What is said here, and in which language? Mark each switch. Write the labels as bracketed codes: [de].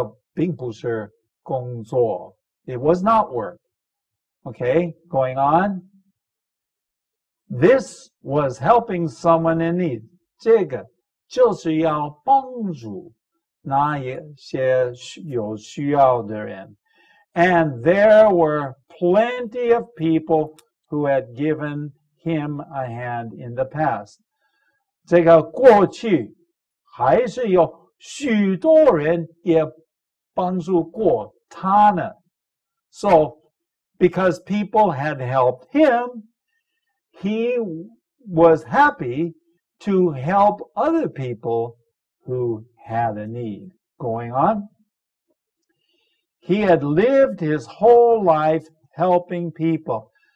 [zh] 对他来说,这个并不是工作. [en] It was not work. Okay, going on. This was helping someone in need. [zh] 这个就是要帮助那些有需要的人. [en] And there were plenty of people who had given him a hand in the past. [zh] 这个过去还是有许多人也帮助过他呢. [en] So, because people had helped him, he was happy to help other people who had a need. Going on. He had lived his whole life helping people.